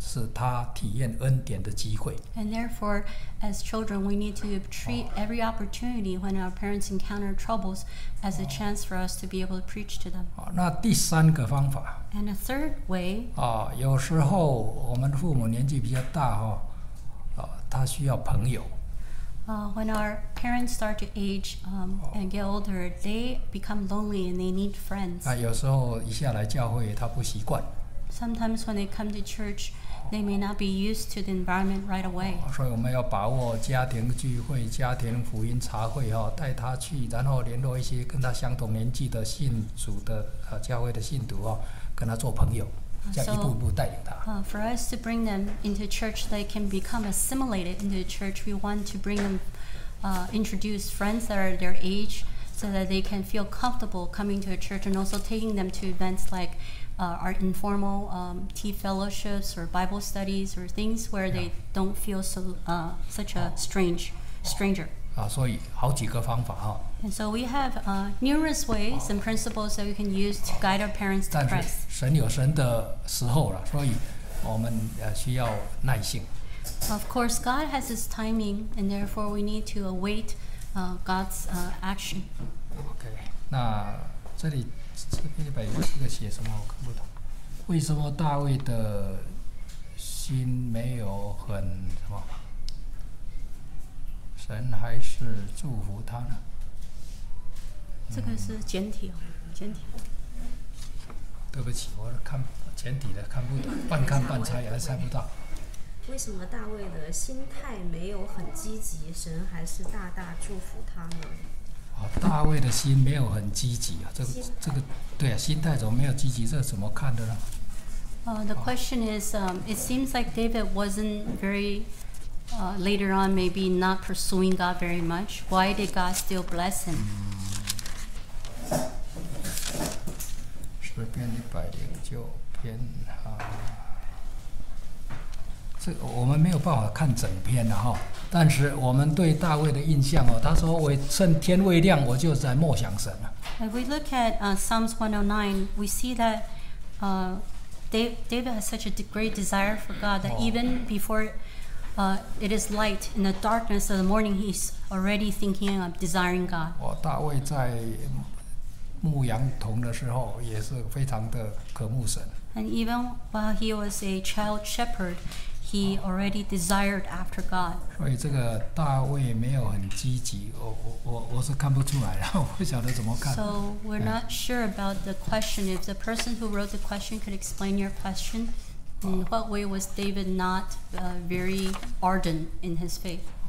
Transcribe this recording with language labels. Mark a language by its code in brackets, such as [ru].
[zh] 所以把困难当作是他体验恩典的机会。 [en] And therefore, as children, we need to treat every opportunity when our parents encounter troubles as a chance for us to be able to preach to them. [zh] 那第三个方法, [en] And a third way, [zh] 有时候我们父母年纪比较大, 他需要朋友。 [en] When our parents start to age and get older, they become lonely and they need friends. [zh] 有时候一下来教会他不习惯。 [en] Sometimes when they come to church, they may not be used to the environment right away. [zh] 所以我们要把握家庭聚会、家庭福音茶会哈，带他去，然后联络一些跟他相同年纪的信主的教会的信徒哈，跟他做朋友。 [en] For us to bring them into church, they can become assimilated into the church. We want to bring them, introduce friends that are their age, so that they can feel comfortable coming to a church, and also taking them to events like our informal tea fellowships or Bible studies or things where they don't feel so such a stranger. [zh] 所以好几个方法哈。 [en] And so we have numerous ways and principles that we can use to guide our parents to Christ. [zh] 但是神有神的时候了，所以我们需要耐性。 [en] Of course, God has His timing, and therefore we need to await God's action. [zh] Okay, 那这里边有一个写什么？我看不懂。为什么大卫的心没有很什么？神还是祝福他呢？这个是简体哦，简体。对不起，我看简体的看不懂，半看半猜也猜不到。为什么大卫的心态没有很积极，神还是大大祝福他呢？大卫的心没有很积极啊，这个对啊，心态怎么没有积极？这怎么看的呢？ [en] The question is, it seems like David wasn't very. Later on, maybe not pursuing God very much. Why did God still bless him? [zh] 诗篇一百零九篇哈，这我们没有办法看整篇的哈。但是我们对大卫的印象哦，他说：“我趁天未亮，我就在默想神了。” [en] If we look at Psalms 109, we see that David has such a great desire for God that even before it is light in the darkness of the morning. He's already thinking of desiring God. [zh] 大卫在牧羊童的时候也是非常的渴慕神。 [en] And even while he was a child shepherd, he already desired after God. [zh] 所以这个大卫没有很积极，我是看不出来，然后不晓得怎么看。 [en] So we're not sure about the question. If the person who wrote the question could explain your question. In what way was David not very ardent in his faith?